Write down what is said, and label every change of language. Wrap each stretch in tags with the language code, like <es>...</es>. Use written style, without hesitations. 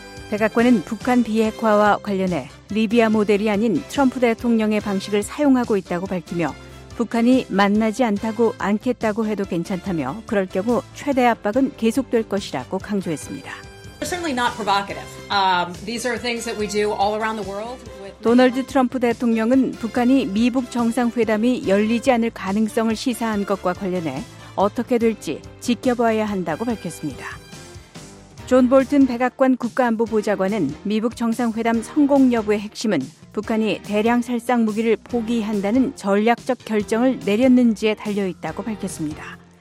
<ko>백악관은 북한 비핵화와 관련해 리비아 모델이 아닌 트럼프 대통령의 방식을 사용하고 있다고 밝히며 북한이 만나지 않겠다고 해도 괜찮다며 그럴 경우 최대 압박은 계속될 것이라고 강조했습니다.</ko> <en>Certainly not provocative. These are things that we do all around the world.</en> <ko>도널드 트럼프 대통령은 북한이 미북 정상회담이 열리지 않을 가능성을 시사한 것과 관련해 어떻게 될지 지켜봐야 한다고 밝혔습니다. 존 볼튼 백악관 국가안보보좌관은 미북 정상회담 성공 여부의 핵심은 북한이 대량 살상 무기를 포기한다는 전략적 결정을 내렸는지에 달려있다고 밝혔습니다.</ko>